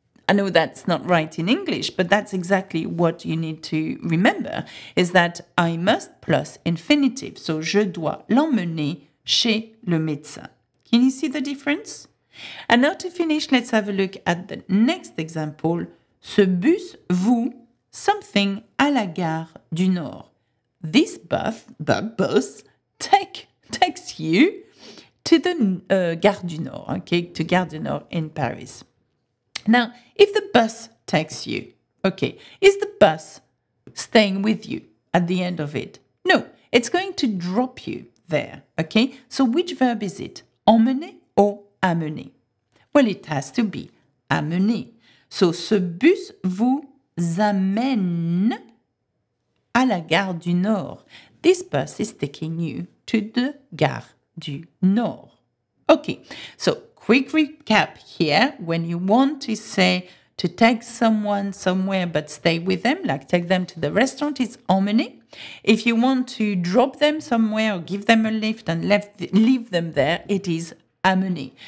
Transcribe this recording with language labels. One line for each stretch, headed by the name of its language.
English: I know that's not right in English, but that's exactly what you need to remember, is that I must plus infinitive.
French: So je dois l'emmener chez le médecin.
English: Can you see the difference? And now to finish, let's have a look at the next example.
French: Ce bus vous
English: something
French: à la gare du Nord.
English: This bus takes you to the Gare du Nord, okay, to Gare du Nord in Paris. Now, if the bus takes you, okay, is the bus staying with you at the end of it? No, it's going to drop you there, okay? So which verb is it? Emmener or amener? Well, it has to be amener.
French: So, ce bus vous amène à la gare du Nord.
English: This bus is taking you to the Gare du Nord. Okay, so quick recap here. When you want to say to take someone somewhere but stay with them, like take them to the restaurant, it's emmener. If you want to drop them somewhere or give them a lift and leave them there, it is amener.